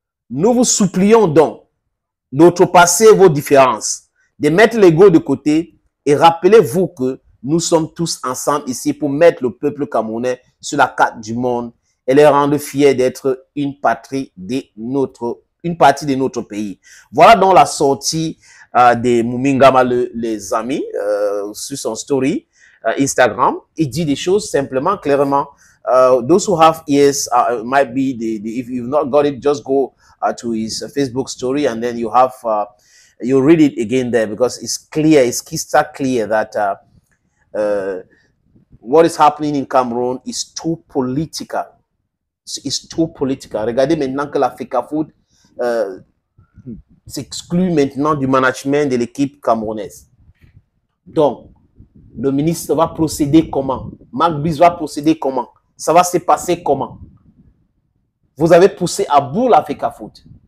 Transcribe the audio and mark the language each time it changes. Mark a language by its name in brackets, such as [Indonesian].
[French] Nous vous supplions donc d'outrepasser vos différences, de mettre l'ego de côté et rappelez-vous que nous sommes tous ensemble ici pour mettre le peuple camerounais sur la carte du monde et les rendre fiers d'être une partie de notre pays. Voilà donc la sortie des Mumingama, les amis, sur son story Instagram. Il dit des choses simplement, clairement. [English] Those who have ears might be, if you've not got it, just go to his Facebook story and then you read it again there because it's clear, it's crystal clear that what is happening in Cameroon is too political. It's too political. [French] Regardez maintenant que la FECAFOOT s'exclut maintenant du management de l'équipe camerounaise. Donc, le ministre va procéder comment? Marc Brice va procéder comment? Ça va se passer comment? Vous avez poussé à bout la FECAFOOT.